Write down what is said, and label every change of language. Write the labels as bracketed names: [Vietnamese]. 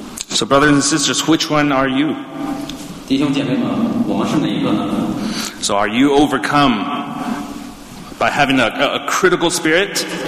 [English] So brothers and sisters, which one are you? [Chinese] 弟兄姐妹们，我们是哪一个呢？ [English] So are you overcome by having a critical spirit?